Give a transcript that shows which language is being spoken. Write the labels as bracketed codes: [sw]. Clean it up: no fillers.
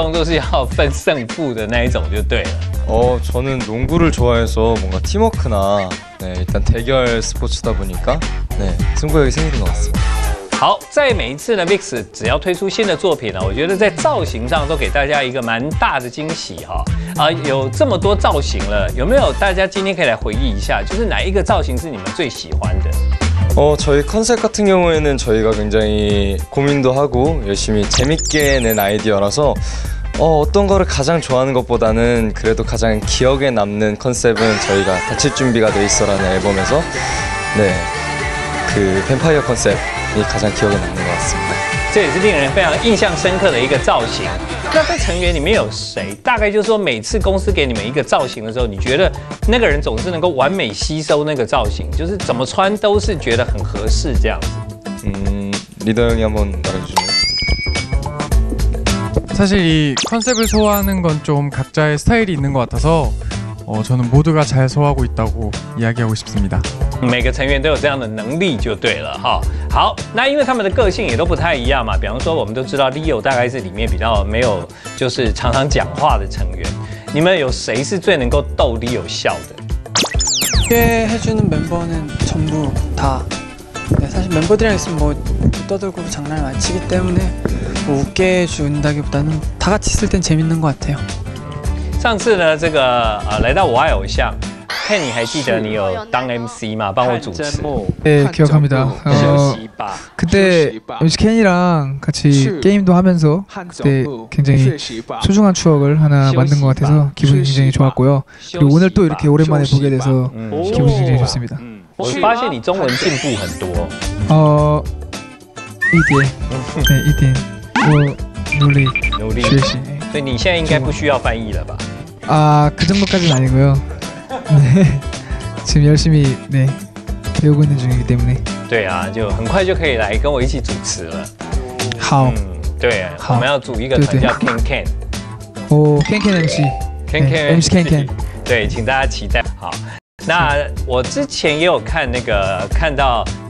[zh] 这个红兵的运动都是要分胜负的那一种就对了。 [ko] 저는 농구를 좋아해서 뭔가 팀워크나 일단 대결 스포츠다 보니까 승부욕이 생기는 것 같습니다. [zh] 好，在每一次呢 ，VIX 只要推出新的作品呢，我觉得在造型上都给大家一个蛮大的惊喜哈。有这么多造型了，有没有大家今天可以来回忆一下，就是哪一个造型是你们最喜欢的？ [ko] 저희 컨셉 같은 경우에는 저희가 굉장히 고민도 하고 열심히 재밌게 낸 아이디어라서 어떤 거를 가장 좋아하는 것보다는 그래도 가장 기억에 남는 컨셉은 저희가 다칠 준비가 돼 있어라는 앨범에서 네, 그 뱀파이어 컨셉이 가장 기억에 남는 것 같습니다. [zh] 这也是令人非常印象深刻的一个造型。那在成员里面有谁？大概就是说，每次公司给你们一个造型的时候，你觉得那个人总是能够完美吸收那个造型，就是怎么穿都是觉得很合适这样子。嗯， [ko] 리더 형이 한번 말해주세요. 사실 이 컨셉을 소화하는 건 좀 각자의 스타일이 있는 것 같아서 저는 모두가 잘 소화하고 있다고 이야기하고 싶습니다. [zh] 每个成员都有这样的能力就对了。好，那因为他们的个性也都不太一样嘛。比方说，我们都知道 Leo 大概是里面比较没有，就是常常讲话的成员。你们有谁是最能够逗 Leo 笑的？ [ko] 꽤해주는 멤버는 전부 다. 네, 사실 멤버들이랑 있으면 뭐 떠들고 장난을 많이 치기 때문에 뭐 웃게 준다기보다는 다 같이 있을 땐 재밌는 것 같아요. [zh] 上次呢，这个来到我爱偶像。你还记得你有当 MC 吗？帮我主持。对， [ko] 네, 기억합니다. 그때 MC 켄이랑 같이 게임도 하면서 그때 굉장히 소중한 추억을 하나 만든 것 같아서 기분이 굉장히 좋았고요. 그리고 오늘 또 이렇게 오랜만에 보게 돼서 기분이 굉장히 좋습니다. [zh] 我发现你中文进步很多。一点，对，一点。努力，学习。所以你现在应该不需要翻译了吧？啊， [ko] 그 정도까지는 아니고요. 네, 지금 열심히 네 배우고 있는 중이기 때문에. [zh] 对啊，就很快就可以来跟我一起主持了。好，对，我们要组一个团叫Kenken。哦，Kenken MC，Kenken MC Kenken。对，请大家期待。好，那我之前也有看那个看到。